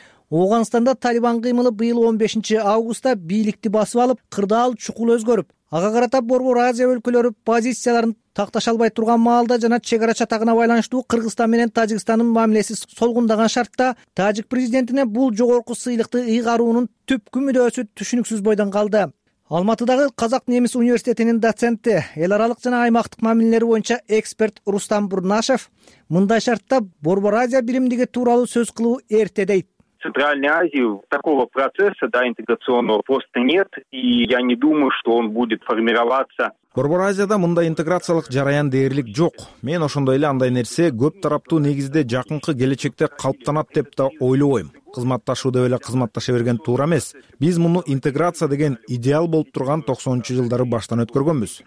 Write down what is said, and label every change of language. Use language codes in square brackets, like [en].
[ky] Ооганстанда Талибан кыймылы быйыл 15 августта бийликти басып алып, кырдаал чукул өзгөрүп, ага карата Борбор Азия өлкөлөрү позицияларын такташа албай турган маалда жана чек ара чатагына байланыштуу Кыргызстан менен Тажикстандын мамилеси солгундаган шартта тажик президентине бул жогорку сыйлыкты ыйгаруунун түпкү мүдөөсү түшүнүксүз бойдон калды. Алматыдагы Казак-Немис университетинин доценти, эл аралык жана аймактык мамилелер боюнча эксперт Рустам Бурнашев мындай шартта Борбор Азия биримдиги тууралуу сөз кылуу эрте дейт. [ru] В Центральной Азии такого процесса, да, интеграционного просто нет, и я не думаю, что он будет формироваться. [ky] Борбор Азияда мындай интеграциялык жараян дээрлик жок. Мен ошондой эле андай нерсе көп тараптуу негизде жакынкы келечекте калыптанат деп да ойлобойм. Кызматташуу деп эле кызматташа берген туура эмес. Биз муну интеграция деген идеал болуп турган 90-чу жылдары баштан өткөргөнбүз.